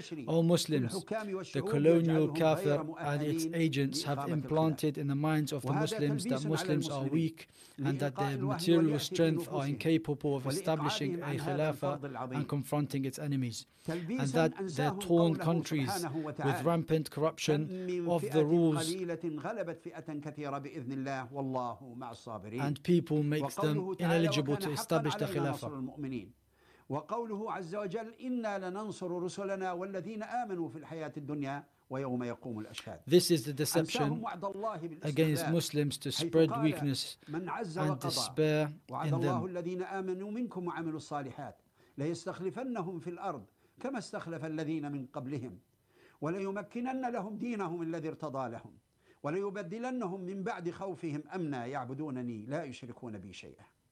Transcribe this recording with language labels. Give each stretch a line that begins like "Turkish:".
English: All Muslims, the colonial kafir and its agents have implanted in the minds of the Muslims that Muslims are weak and that their material strength are incapable of establishing a khilafah and confronting its enemies, and that their torn countries with rampant corruption of the rules and people makes them ineligible to establish the khilafah.
Arabic: وقوله عز وجل إنا لننصر رسلنا والذين آمنوا في الحياة الدنيا ويوم يقوم الأشهاد.
English: This is the deception against Muslims to spread weakness and despair in them.
Arabic: وعد الله الذين آمنوا منكم وعملوا الصالحات ليستخلفنهم في الأرض كما استخلف الذين من قبلهم وليمكنن لهم دينهم الذي ارتضى لهم وليبدلنهم من بعد خوفهم أمنا يعبدونني لا يشركون بي شيئا.